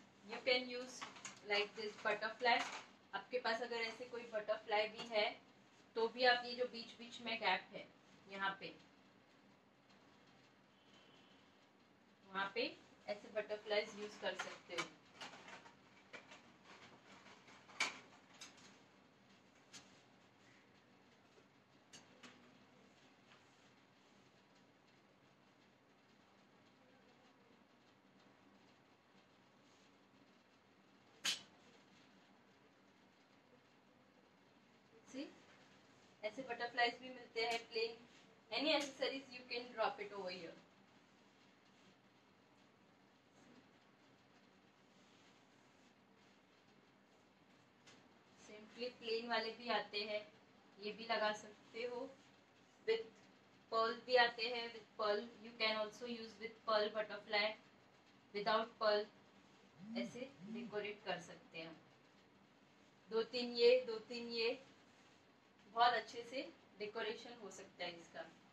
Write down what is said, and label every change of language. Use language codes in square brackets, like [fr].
[en] You can use like this butterfly. [hi] आपके पास अगर ऐसे कोई butterfly भी है तो भी आप ये जो बीच बीच में gap है यहाँ पे वहाँ पे ऐसे butterflies use कर सकते हो. ऐसे बटरफ्लाइज भी मिलते हैं plane [en] Any accessories you can drop it over here. Simply plain [hi] वाले भी आते हैं, ये भी लगा सकते हो. [en] With pearl [hi] भी आते हैं, [en] with pearl you can also use with pearl butterfly. Without pearl [hi] ऐसे decorate कर सकते हैं. दो तीन ये बहुत अच्छे से decoration हो सकता है इसका.